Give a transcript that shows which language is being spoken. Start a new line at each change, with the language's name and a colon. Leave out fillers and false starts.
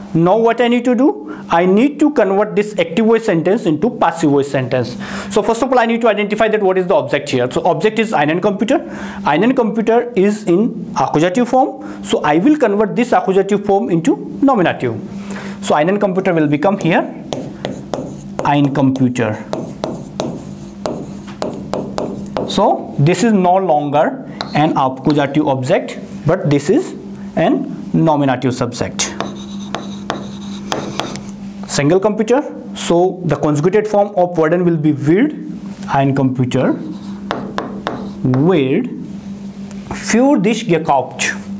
English: Now what I need to do? I need to convert this active voice sentence into passive voice sentence. So first of all, I need to identify that what is the object here. So object is einen Computer. Einen Computer is in accusative form. So I will convert this accusative form into nominative. So einen Computer will become here ein Computer. So this is no longer an accusative object, but this is an nominative subject. Single computer, so the conjugated form of worden will be wird,
German: ein Computer wird für dich gekauft.